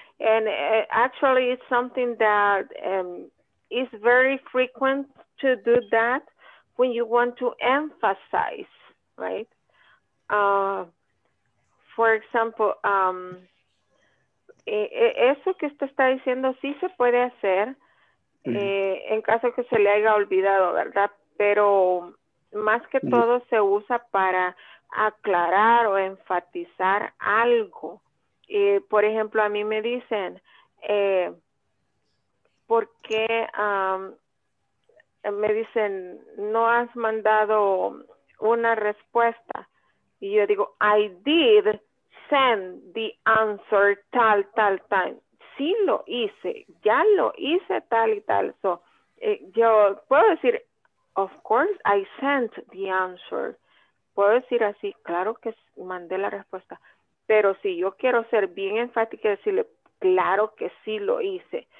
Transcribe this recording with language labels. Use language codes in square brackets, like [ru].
[en] And actually, it's something that is very frequent to do that when you want to emphasize, right? For example, [es] eso que usted está diciendo sí se puede hacer en caso que se le haya olvidado, ¿verdad? Pero más que todo se usa para aclarar o enfatizar algo. Por ejemplo, a mí me dicen, ¿por qué me dicen no has mandado una respuesta? Y yo digo, [en] I did send the answer tal time. [es] Sí lo hice, ya lo hice tal y tal. [en] So, [es] yo puedo decir, [en] of course I sent the answer. [es] Puedo decir así, claro que mandé la respuesta. Pero si yo quiero ser bien enfática y decirle, claro que sí lo hice.